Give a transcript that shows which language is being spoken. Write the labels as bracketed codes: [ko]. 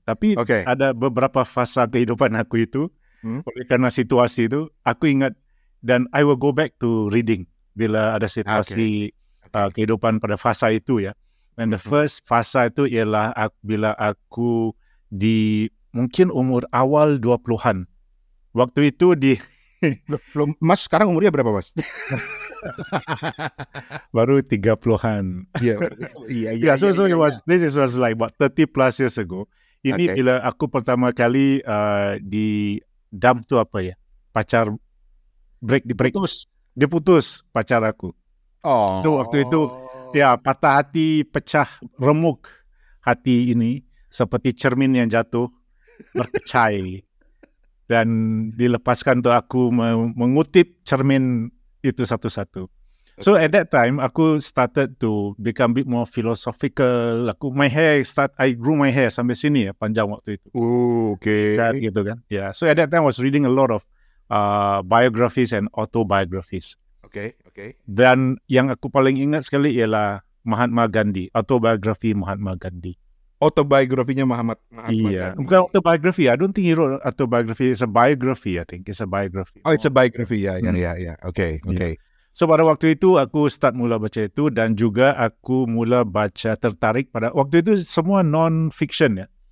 [ms] Tapi ada beberapa fasa kehidupan aku itu, oleh karena situasi itu, aku ingat dan [en] I will go back to reading [ms] bila ada situasi kehidupan pada fasa itu ya. [en] And the first [ms] fasa itu ialah bila aku di mungkin umur awal 20-an. Waktu itu di... [id] Mas, sekarang umurnya berapa, Mas? Baru 30-an. [en] Yeah, this was like about 30 plus years ago. [ms] Ini bila aku pertama kali di dump tu apa ya? [id] Pacar break. Diputus. Diputus pacar aku. [en] Oh. [ms] So, waktu itu... ya, patah hati, pecah, remuk hati ini seperti cermin yang jatuh, berkecai. Dan dilepaskan untuk aku mengutip cermin itu satu-satu. [en] So at that time, [ms] aku [en] started to become a bit more philosophical. [ms] Aku [en] my hair start, I grew my hair [ms] sampai sini ya, panjang waktu itu. [en] Oh, okay. [id] Kan, gitu kan? [en] Yeah. So at that time, I was reading a lot of biographies and autobiographies. Okay, okay. [ms] Dan yang aku paling ingat sekali ialah Mahatma Gandhi, autobiography Mahatma Gandhi. [id] Autobiografinya Mahatma Gandhi. Iya. [ms] Bukan autobiography. [en] I don't think he wrote autobiography. It's a biography. I think it's a biography. Oh, it's a biography. Yeah, yeah, yeah. Yeah. Okay, yeah. Okay. [ms] So pada waktu itu aku start mula baca itu dan juga aku mula baca tertarik pada waktu itu semua non-fiction ya.